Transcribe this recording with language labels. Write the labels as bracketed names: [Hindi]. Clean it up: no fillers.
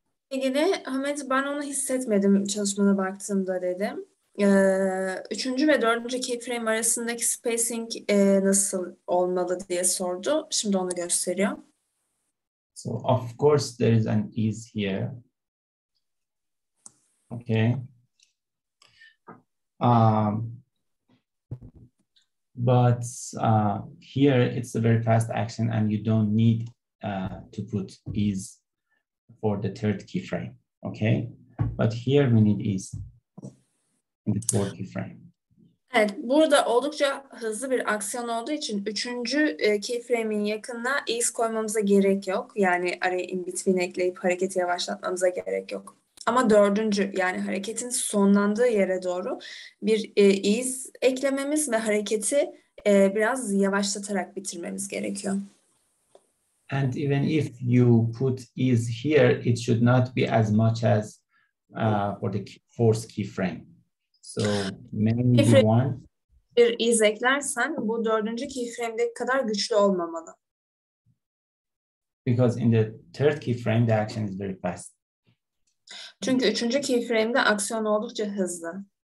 [Turkish] İlgili Ahmet, ben onu hissetmedim çalışmana baktığımda dedim. Üçüncü ve dördüncü keyframe arasındaki spacing nasıl olmalı diye sordu. Şimdi onu gösteriyor. [English] So of course there is an ease here. Okay. But here it's a very fast action and you don't need to put ease for the third keyframe, okay? But here we need ease in the fourth keyframe. [Turkish] Evet, burada oldukça hızlı bir aksiyon olduğu için üçüncü keyframe'in yakınına ease koymamıza gerek yok. Yani araya in between ekleyip hareketi yavaşlatmamıza gerek yok. Ama dördüncü, yani hareketin sonlandığı yere doğru bir ease eklememiz ve hareketi biraz yavaşlatarak bitirmemiz gerekiyor. [English] And even if you put ease here, it should not be as much as for the fourth keyframe. So maybe if one. [Turkish] Bir ease eklersen, bu dördüncü keyframe'de kadar güçlü olmamalı. [English] Because in the third keyframe, the action is very fast. [Turkish] Çünkü üçüncü keyframe'de aksiyon oldukça hızlı.